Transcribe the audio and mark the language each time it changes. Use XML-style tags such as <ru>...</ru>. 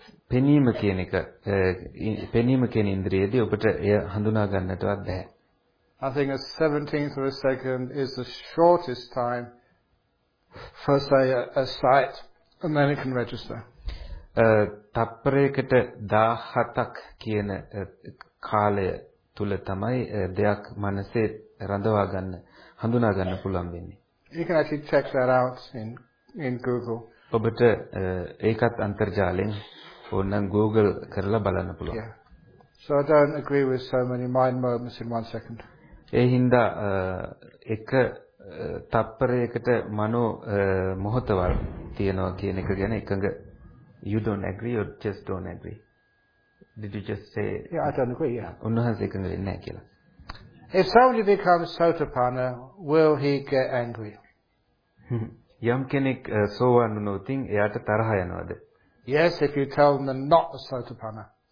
<si>පෙනීම කියන එක පෙනීම කියන ඉන්ද්‍රියේදී ඔබට එය හඳුනා ගන්නටවත් බැහැ.</si> <en>I think a 17th of a second is the shortest time for say a sight and then it can register.</en> <si>තප්පරයකට 17ක් කියන කාලය තුල තමයි දෙයක් මනසේ රඳවා ගන්න හඳුනා ගන්න පුළුවන් වෙන්නේ.</si> <en>You can actually check that out in Google.</en> <si>ඔබට ඒකත් අන්තර්ජාලයෙන් ඕනනම් Google කරලා බලන්න පුළුවන්.</si> <en>So I don't agree with so many mind moments in one second.</en> <si>ඒ හින්දා එක තප්පරයකට මනෝ මොහොතවල් තියෙනවා කියන එක ගැන එකඟ</si> <en>you don't agree or just don't agree. Did you just say yeah, I don't agree, yeah.</en> <si>උන්වහන්සේ එකඟ වෙන්නේ නැහැ කියලා.</si> <en>If somebody becomes Sotapanna, will he get angry?</en> <si>යම් කෙනෙක් සෝවන් වුණොත් එයාට තරහ යනවද?</si> <en>Yes, if you tell them they're not a Sotapanna.</en>